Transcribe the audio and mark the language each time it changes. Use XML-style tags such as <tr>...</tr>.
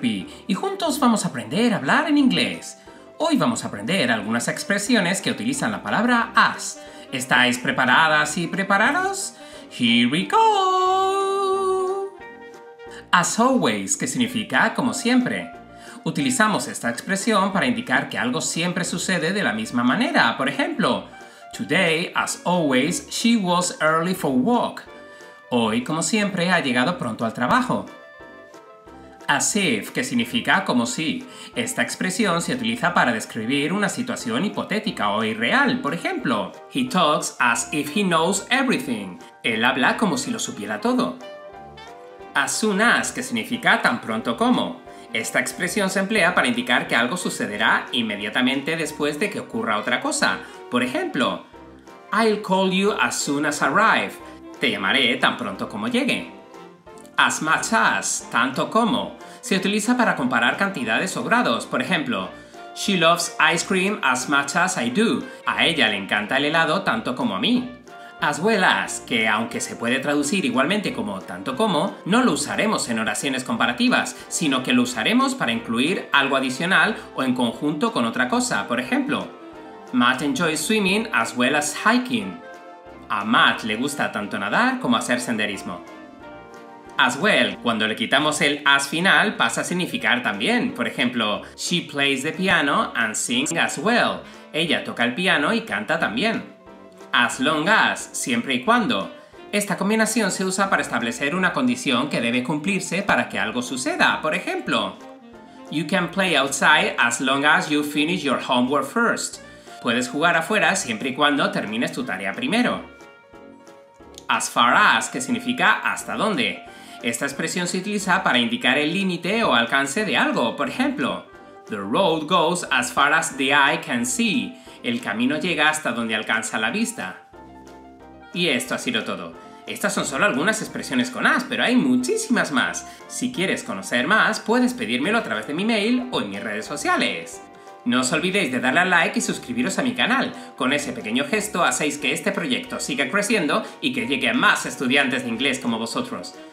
<es>P y juntos vamos a aprender a hablar en inglés. Hoy vamos a aprender algunas expresiones que utilizan la palabra as. ¿Estáis preparadas y preparados?</es> <en>¡Here we go!</en> <es>As always, que significa como siempre. Utilizamos esta expresión para indicar que algo siempre sucede de la misma manera. Por ejemplo,</es> <en>today, as always, she was early for work.</en> <es>Hoy, como siempre, ha llegado pronto al trabajo. As if, que significa como si. Esta expresión se utiliza para describir una situación hipotética o irreal. Por ejemplo,</es> <en>he talks as if he knows everything.</en> <es>Él habla como si lo supiera todo. As soon as, que significa tan pronto como. Esta expresión se emplea para indicar que algo sucederá inmediatamente después de que ocurra otra cosa. Por ejemplo,</es> <en>I'll call you as soon as I arrive.</en> <es>Te llamaré tan pronto como llegue. As much as, tanto como. Se utiliza para comparar cantidades o grados. Por ejemplo,</es> <en>she loves ice cream as much as I do.</en> <es>A ella le encanta el helado tanto como a mí. As well as, que aunque se puede traducir igualmente como tanto como, no lo usaremos en oraciones comparativas, sino que lo usaremos para incluir algo adicional o en conjunto con otra cosa. Por ejemplo,</es> <en>Matt enjoys swimming as well as hiking.</en> <es>A Matt le gusta tanto nadar como hacer senderismo. As well, cuando le quitamos el as final, pasa a significar también. Por ejemplo,</es> <en>she plays the piano and sings as well.</en> <es>Ella toca el piano y canta también. As long as, siempre y cuando. Esta combinación se usa para establecer una condición que debe cumplirse para que algo suceda. Por ejemplo,</es> <en>you can play outside as long as you finish your homework first.</en> <es>Puedes jugar afuera siempre y cuando termines tu tarea primero. As far as, que significa hasta dónde. Esta expresión se utiliza para indicar el límite o alcance de algo. Por ejemplo,</es> <en>the road goes as far as the eye can see.</en> <es>El camino llega hasta donde alcanza la vista. Y esto ha sido todo. Estas son solo algunas expresiones con as, pero hay muchísimas más. Si quieres conocer más, puedes pedírmelo a través de mi mail o en mis redes sociales. No os olvidéis de darle al like y suscribiros a mi canal. Con ese pequeño gesto hacéis que este proyecto siga creciendo y que llegue a más estudiantes de inglés como vosotros.</es>